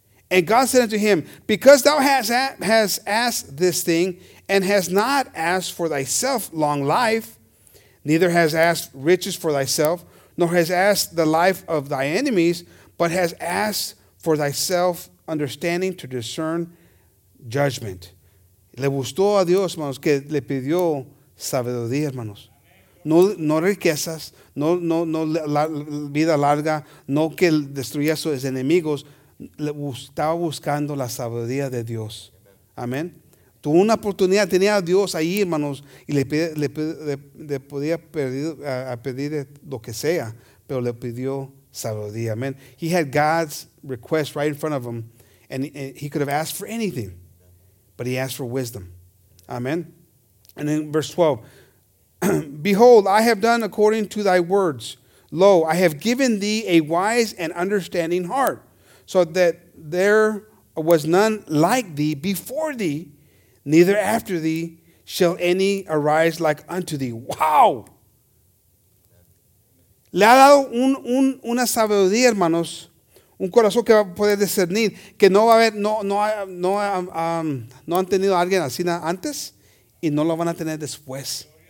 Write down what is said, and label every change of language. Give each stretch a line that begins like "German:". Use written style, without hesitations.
English: And God said unto him, because thou hast asked this thing and has not asked for thyself long life, neither has asked riches for thyself, nor has asked the life of thy enemies, but has asked for thyself understanding to discern judgment.
Spanish: Le gustó a Dios, hermanos, que le pidió sabiduría, hermanos. No, no riquezas, no, no, no la, vida larga, no que destruya a sus enemigos. Le estaba buscando la sabiduría de Dios. Amén. Tuvo una oportunidad, tenía a Dios ahí, hermanos, y le podía pedir, a pedir lo que sea, pero le pidió sabiduría. Amén.
English: He had God's request right in front of him, and he could have asked for anything, but he asked for wisdom. Amen. And then verse 12. Behold, I have done according to thy words. Lo, I have given thee a wise and understanding heart, so that there was none like thee before thee, neither after thee shall any arise like unto thee. Wow.
Spanish: Le ha dado una sabiduría, hermanos, un corazón que va a poder discernir, que no va a haber, no han tenido a alguien así antes y no lo van a tener después.